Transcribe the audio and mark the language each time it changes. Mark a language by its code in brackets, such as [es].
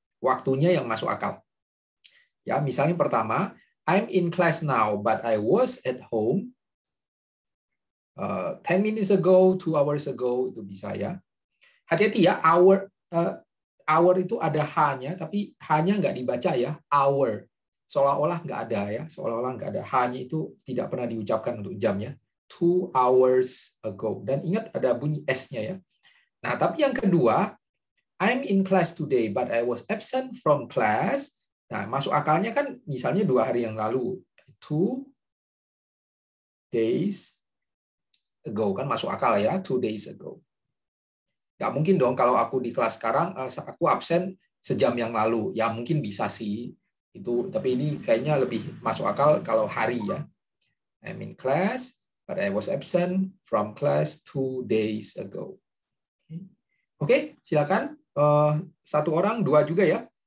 [id] Waktunya yang masuk akal. Ya, misalnya pertama [en] I'm in class now, but I was at home 10 minutes ago, 2 hours ago, [id] itu bisa ya. Hati-hati ya, hour itu ada H-nya, tapi H-nya nggak dibaca ya, hour. Seolah-olah nggak ada ya, seolah-olah nggak ada. H-nya itu tidak pernah diucapkan untuk jam ya. [en] 2 hours ago. [id] Dan ingat ada bunyi S-nya ya. Nah, tapi yang kedua, [en] I'm in class today, but I was absent from class. [id] Nah, masuk akalnya kan misalnya 2 hari yang lalu, [en] 2 days ago [id] kan masuk akal ya, 2 days ago. Enggak mungkin dong kalau aku di kelas sekarang aku absen sejam yang lalu. Ya mungkin bisa sih itu, tapi ini kayaknya lebih masuk akal kalau hari ya. [en] I'm in class but I was absent from class 2 days ago. [id] Oke, silakan satu orang, dua juga ya.